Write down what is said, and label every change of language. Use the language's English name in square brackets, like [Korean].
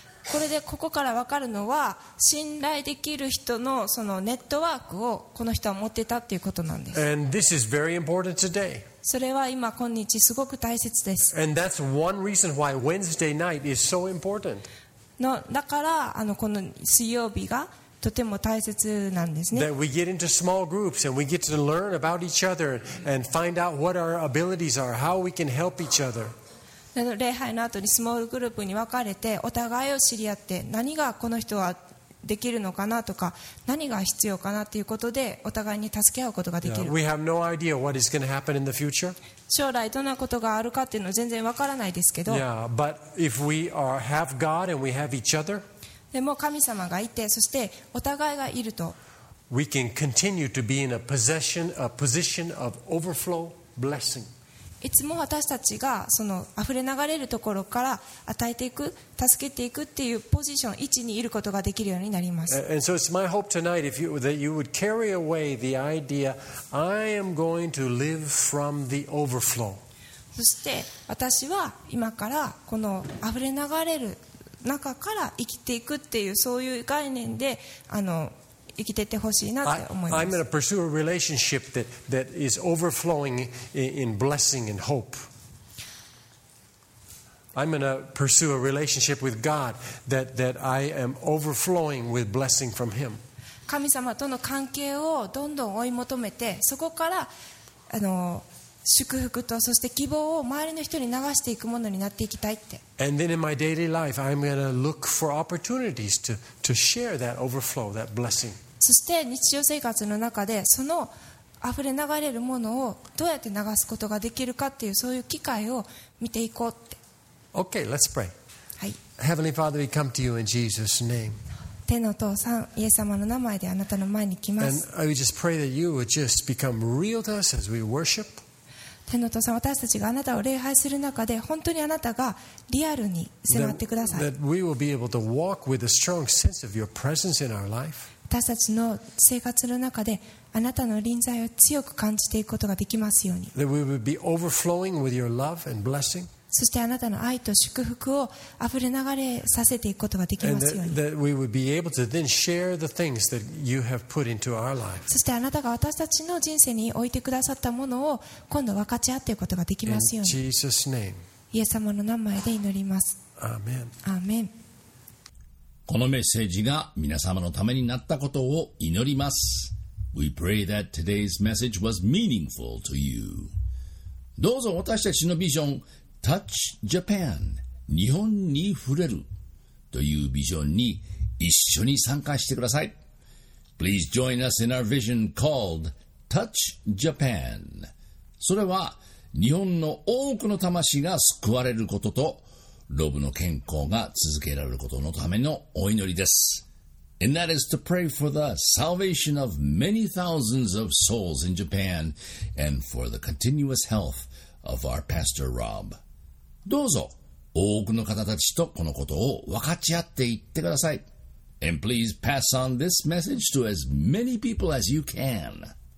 [Japanese] これでここから分かるのは信頼できる人のそのネットワークをこの人は持ってたっていうことなんです。 [English] And this is very important today. [Japanese] それは今今日すごく大切です。 [English] And that's one reason why Wednesday night is so important. [Japanese] のだからあのこの水曜日がとても大切なんですね。 [English] That we get into small groups and we get to learn about each other and find out what our abilities are, how we can help each other. [Japanese] 礼拝の後にスモールグループに分かれてお互いを知り合って何がこの人はできるのかなとか何が必要かなということでお互いに助け合うことができる。 [English] We have no idea what is going to happen in the future. [Japanese] 将来どんなことがあるかっていうのは全然分からないですけど。 [English] Yeah, but if we are, have God and we have each other, [Japanese] でも神様がいてそしてお互いがいると [English] We can continue to be in a possession, a position of overflow blessing. [Japanese] いつも私たちがその溢れ流れるところから与えていく助けていくっていうポジション位置にいることができるようになります。 [English] And so it's my hope tonight if you, that you would carry away the idea I am going to live from the overflow. [Japanese] そして私は今からこの溢れ流れる中から生きていくっていうそういう概念であの生きていってほしいなって思います。 [English] I'm going to pursue a relationship that is overflowing in blessing and hope. I'm going to pursue a relationship with God that I am overflowing with blessing from Him. [Japanese] 神様との関係をどんどん追い求めて、そこからあの祝福とそして希望を周りの人に流していくものになっていきたいって。 [English] And then in my daily life, I'm going to look for opportunities to share that overflow, that blessing. [Japanese] そして日常生活の中でその溢れ流れるものをどうやって流すことができるかっていうそういう機会を見ていこうって。 [English] Okay, let's pray. [Japanese] はい。 [English] Heavenly Father, we come to you in Jesus' name. [Japanese] 天の父さん、イエス様の名前であなたの前に来ます。 [English] And I just pray that you would just become real to us as we worship. [Japanese] 天の父さん、私たちがあなたを礼拝する中で本当にあなたがリアルに迫ってください。 [English] That we will be able to walk with a strong sense of your presence in our life. [Japanese] 私たちの生活の中であなたの臨在を強く感じていくことができますように。 [English] That we would be overflowing with your love and blessing. [Japanese] そしてあなたの愛と祝福を溢れ流れさせていくことができますように。 [English] And that we would be able to then share the things that you have put into our life. [Japanese] そしてあなたが私たちの人生に置いてくださったものを今度分かち合っていくことができますように。 [English] In Jesus' name. [Japanese] イエス様の名前で祈ります。 [English] Amen. Amen. [Japanese] このメッセージが皆様のためになったことを祈ります。 [English] We pray that today's message was meaningful to you. [Japanese] どうぞ私たちのビジョン、Touch Japan、日本に触れるというビジョンに一緒に参加してください。 [English] Please join us in our vision called Touch Japan. [Japanese] それは日本の多くの魂が救われることと、ロブの健康が続けられることのためのお祈りです。 [English] And that is to pray for the salvation of many thousands of souls in Japan and for the continuous health of our Pastor Rob. [Japanese] どうぞ多くの方たちとこのことを分かち合っていってください。 [English] And please pass on this message to as many people as you can.